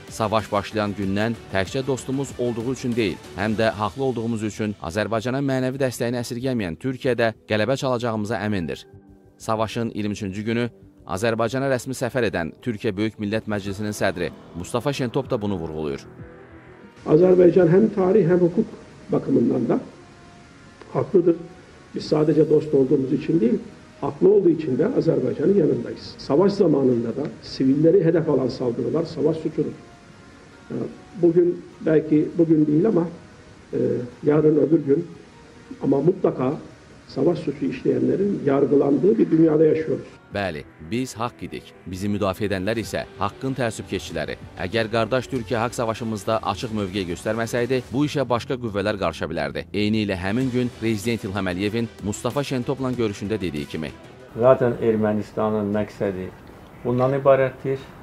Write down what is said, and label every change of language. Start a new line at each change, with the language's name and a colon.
Azerbaijani: Savaş başlayan gündən təkcə dostumuz olduğu üçün deyil, həm də haqlı olduğumuz üçün Azərbaycana mənəvi dəstəyini əsirgəməyən Türkiyədə qələbə çalacağımıza əmindir. Savaşın 23-cü günü Azərbaycana rəsmi səfər edən Türkiyə Böyük Millət Məclisinin sədri Mustafa Şentop da bunu vurğuluyor. Azərbaycan həm tarih, həm hüquq baxımından da haqlıdır.
Turkish: Biz sadece dost olduğumuz için değil, haklı olduğu için de Azerbaycan'ın yanındayız. Savaş zamanında da sivilleri hedef alan saldırılar savaş suçudur. Bugün, belki bugün değil ama yarın öbür gün ama mutlaka savaş suçu işleyenlerin yargılandığı bir dünyada yaşıyoruz.
Azerbaijani: Bəli, biz haqq idik. Bizi müdafiə edənlər isə haqqın təəssüb keçiciləri. Əgər qardaş Türkiyə haqq savaşımızda açıq mövqe göstərməsəydi, bu işə başqa qüvvələr qarışa bilərdi. Eyni ilə həmin gün Prezident İlham Əliyevin Mustafa Şentopla görüşündə dediyi kimi. Zaten Ermənistanın məqsədi bundan ibarətdir.